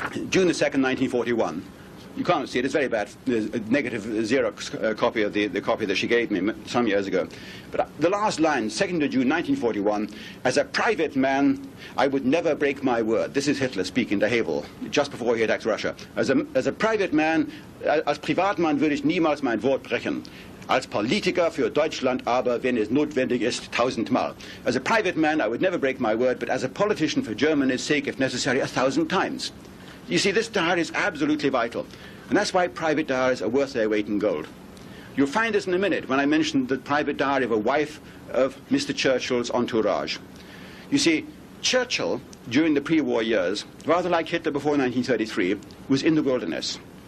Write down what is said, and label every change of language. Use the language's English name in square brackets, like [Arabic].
[English] June the 2nd, 1941. You can't see it. It's very bad. There's a negative Xerox copy of the copy that she gave me some years ago. But the last line, 2nd of June, 1941, as a private man, I would never break my word. This is Hitler speaking to Havel, just before he attacks Russia. As a private man, [German] als Privatmann würde ich niemals mein Wort brechen. Als Politiker für Deutschland aber, wenn es notwendig ist, tausendmal. [English] As a private man, I would never break my word, but as a politician for Germany's sake, if necessary, 1,000 times. You see, this diary is absolutely vital. And that's why private diaries are worth their weight in gold. You'll find this in a minute when I mention the private diary of a wife of Mr. Churchill's entourage. You see, Churchill, during the pre-war years, rather like Hitler before 1933, was in the wilderness.